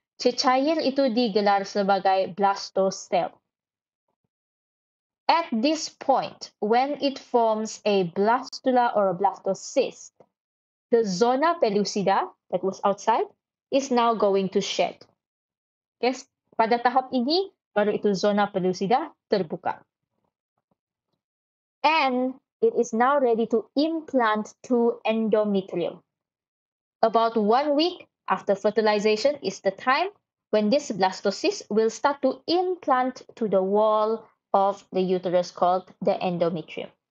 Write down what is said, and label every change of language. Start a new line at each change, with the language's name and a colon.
Malay: Cecair itu digelar sebagai blastocell.
English: At this point, when it forms a blastula or a blastocyst, the zona pellucida that was outside is now going to shed.
Malay: Okay, pada tahap ini, baru itu zona pellucida terbuka.
English: And it is now ready to implant to endometrium. About 1 week after fertilization is the time when this blastocyst will start to implant to the wall of the uterus called the endometrium.